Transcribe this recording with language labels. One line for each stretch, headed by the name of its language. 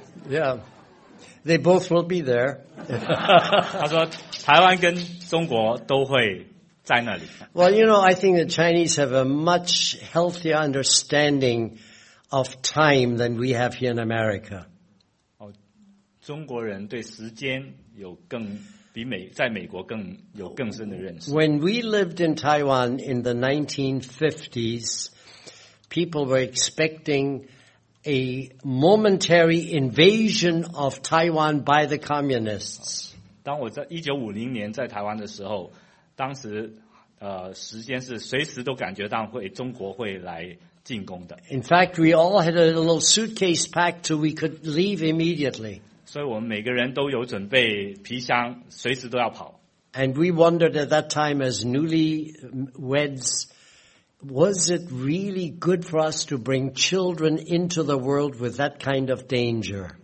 English: Yeah, they both will be there.
Chinese: 他说台湾跟中国都会在那里。
English: Well, you know, I think the Chinese have a much healthier understanding of time than we have here in America.
Chinese: 哦，中国人对时间有更比美在美国更有更深的认识。
English: When we lived in Taiwan in the 1950s, people were expecting a momentary invasion of Taiwan by the communists.
Chinese: 当我在1950年在台湾的时候，当时时间是随时都感觉到会中国会来进攻的。
English: In fact, we all had a little suitcase packed so we could leave immediately.
Chinese: 所以我们每个人都有准备皮箱，随时都要跑。
English: And we wondered at that time as newlyweds, was it really good for us to bring children into the world with that kind of danger?